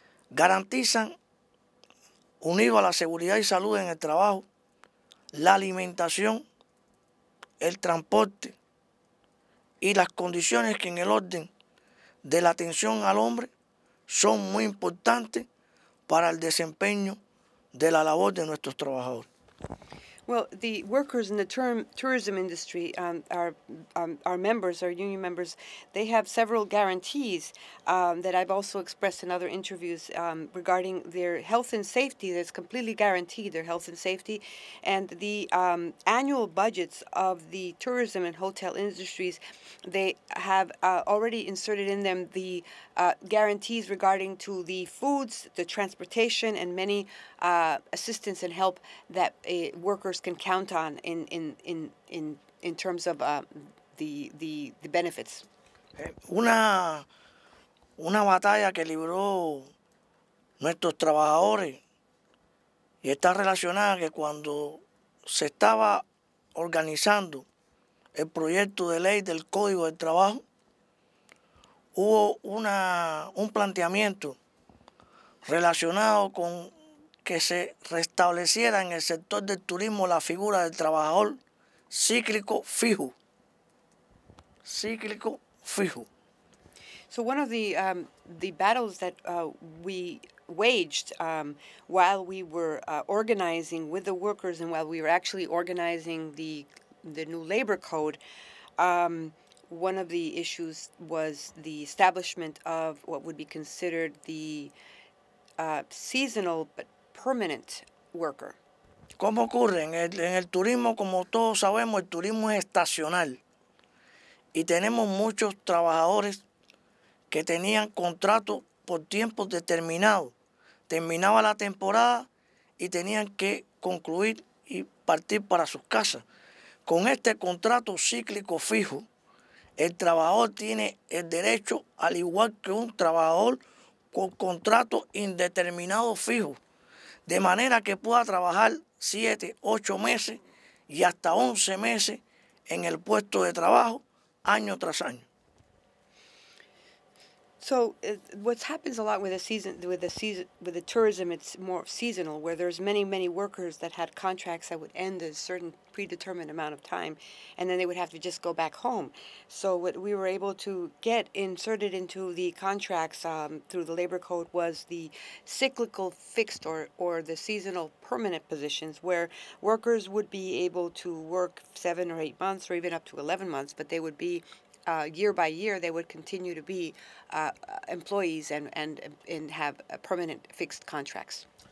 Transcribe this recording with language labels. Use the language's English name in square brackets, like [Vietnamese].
[Spanish] garantizan, unido a la seguridad y salud en el trabajo, la alimentación, el transporte y las condiciones que en el orden de la atención al hombre son muy importantes para el desempeño de la labor de nuestros trabajadores. [English] Well, the workers in the tourism industry, our members, our union members, they have several guarantees that I've also expressed in other interviews regarding their health and safety. That's completely guaranteed, their health and safety. And the annual budgets of the tourism and hotel industries, they have already inserted in them the guarantees regarding to the foods, the transportation, and many assistance and help that workers can count on in terms of the benefits. [Spanish] Una batalla que libró nuestros trabajadores y está relacionada que cuando se estaba organizando el proyecto de ley del Código del Trabajo, hubo un planteamiento relacionado con que se restableciera en el sector del turismo la figura del trabajador cíclico fijo. Cíclico fijo. [English] So one of the battles that we waged while we were organizing with the workers and while we were actually organizing the new labor code, one of the issues was the establishment of what would be considered the seasonal but permanent worker. [Spanish] ¿Cómo ocurre? En el turismo, como todos sabemos, el turismo es estacional. Y tenemos muchos trabajadores que tenían contratos por tiempo determinado. Terminaba la temporada y tenían que concluir y partir para sus casas. Con este contrato cíclico fijo, el trabajador tiene el derecho, al igual que un trabajador con contrato indeterminado fijo, de manera que pueda trabajar 7, 8 meses y hasta 11 meses en el puesto de trabajo año tras año. [English] So what happens a lot with the tourism, it's more seasonal, where there's many workers that had contracts that would end a certain predetermined amount of time, and then they would have to just go back home. So what we were able to get inserted into the contracts through the labor code was the cyclical fixed or the seasonal permanent positions, where workers would be able to work 7 or 8 months or even up to 11 months, but they would be year by year, they would continue to be employees and have permanent fixed contracts.